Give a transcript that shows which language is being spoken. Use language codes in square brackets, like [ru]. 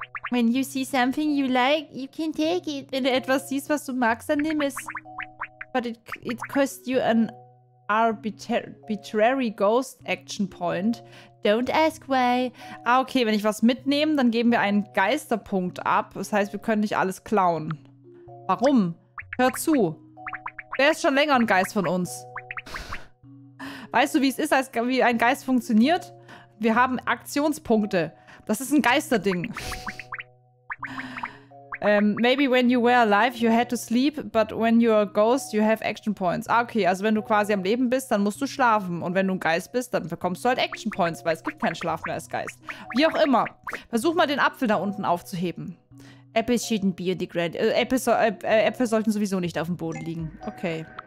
[en] When you see something you like, you can take it. [de] Wenn du etwas siehst, was du magst, dann nimm es. [en] But it cost you an arbitrary ghost action point. Don't ask why. [de] Ah, okay, wenn ich was mitnehme, dann geben wir einen Geisterpunkt ab. Das heißt, wir können nicht alles klauen. Warum? Hör zu. Wer ist schon länger ein Geist von uns? Weißt du, wie es ist, wie ein Geist funktioniert? Wir haben Aktionspunkte. Das ist ein Geisterding. [en] maybe when you were alive, you had to sleep, but when you're a ghost, you have action points. [de] Ah, okay, also wenn du quasi am Leben bist, dann musst du schlafen. Und wenn du ein Geist bist, dann bekommst du halt action points, weil es gibt keinen Schlaf mehr als Geist. Wie auch immer, versuch mal den Apfel da unten aufzuheben. [en] Apples shouldn't be on the ground. [de] Äpfel sollten sowieso nicht auf dem Boden liegen. Okay.